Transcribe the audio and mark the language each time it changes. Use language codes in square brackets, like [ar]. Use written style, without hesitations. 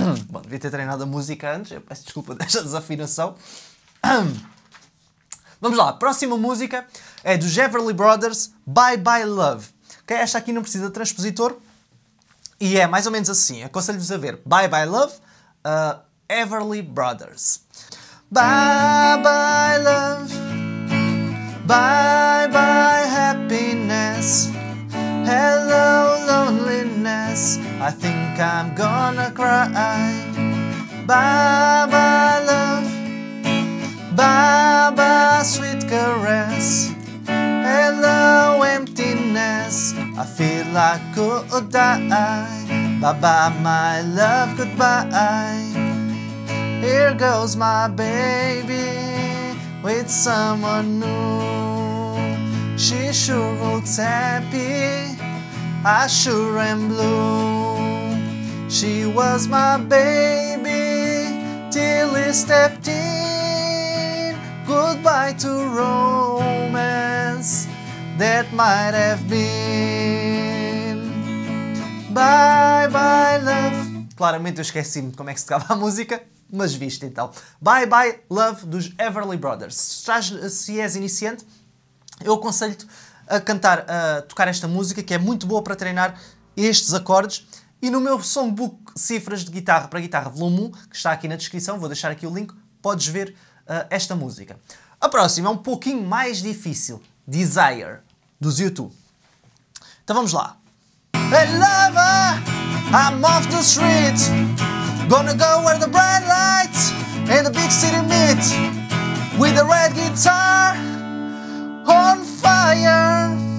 [pt] Bom, devia ter treinado a música antes, eu peço desculpa desta desafinação. Vamos lá, a próxima música é dos Everly Brothers, Bye Bye Love. Okay, esta aqui não precisa de transpositor e é mais ou menos assim. Aconselho-vos a ver Bye Bye Love, Everly Brothers. [en] Bye Bye Love, Bye Bye Happiness, Hello Loneliness, I think I'm gonna cry. Bye Bye Love, Bye-bye, sweet caress. Hello, emptiness. I feel like I could die. Bye-bye, my love, goodbye. Here goes my baby with someone new. She sure looks happy. I sure am blue. She was my baby till he stepped in. Goodbye to romance that might have been. Bye bye love. [pt] Claramente eu esqueci-me como é que se tocava a música, mas viste então. Bye bye love dos Everly Brothers. Se és iniciante, eu aconselho-te a cantar, a tocar esta música que é muito boa para treinar estes acordes. E no meu songbook Cifras de Guitarra para Guitarra Volume 1, que está aqui na descrição, vou deixar aqui o link, podes ver esta música. A próxima é um pouquinho mais difícil, Desire, dos U2. Então vamos lá. [en] Hey lover, I'm off the street. Gonna go where the bright lights and the big city meet. With a red guitar on fire.